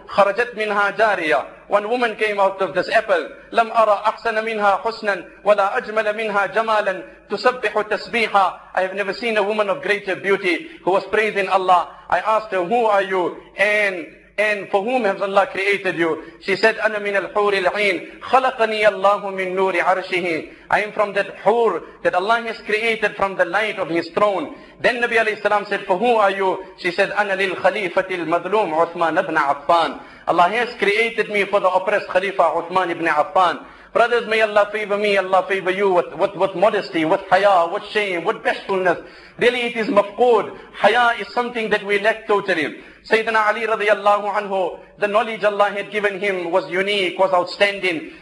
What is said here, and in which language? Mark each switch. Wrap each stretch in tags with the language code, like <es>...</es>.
<ar>خَرَجَتْ مِنْهَا جَارِيَةٌ.</ar> <en>One woman came out of this apple.</en> <ar>لَمْ أَرَى أَحْسَنَ مِنْهَا حُسْنًا وَلَا أَجْمَلَ مِنْهَا جَمَالًا تُسَبِّحُ تَسْبِيحًا.</ar> <en>I have never seen a woman of greater beauty who was praising Allah. I asked her, who are you? And for whom has Allah created you? She said,</en> <ar>أَنَا مِنَ الْحُورِ الْعِينِ خَلَقَنِيَ اللَّهُ مِن نُورِ عَرْشِهِ.</ar> <en>I am from that hoor that Allah has created from the light of His throne. Then Nabi alayhi salam said, for who are you? She said,</en> <ar>أَنَا لِلْخَلِيفَةِ الْمَظْلُومِ عُثْمَانَ ابْنَ عَفَّانِ.</ar> <en>Allah has created me for the oppressed Khalifa Uthman ibn Affan. Brothers, may Allah favor me, Allah favor you with modesty, with haya, with shame, with bashfulness. Really it is mafqood. Haya is something that we lack totally. Sayyidina Ali radiallahu anhu, the knowledge Allah had given him was unique, was outstanding.</en>